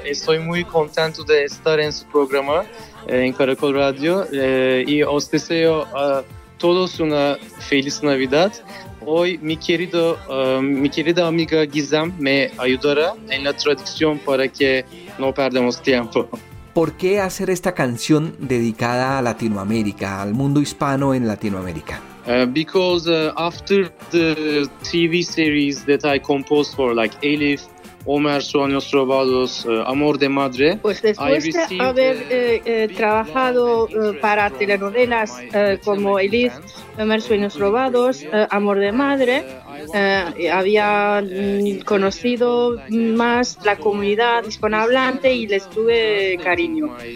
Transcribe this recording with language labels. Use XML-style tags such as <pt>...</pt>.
<es>Estoy muy contento de estar en su programa en Caracol Radio, y os deseo a todos una feliz Navidad. Hoy mi querida amiga Gizem me ayudará en la traducción para que no perdamos tiempo. ¿Por qué hacer esta canción dedicada a Latinoamérica, al mundo hispano en Latinoamérica?</es> <en>Because after the TV series that I composed for, like Elif, Omar Sonios Robados, Amor de Madre.</en> <es>Pues después de haber trabajado para telenovelas como Elif, Omar Sueños Robados, Amor de Madre, había conocido más la comunidad hispanohablante y les tuve cariño.</es>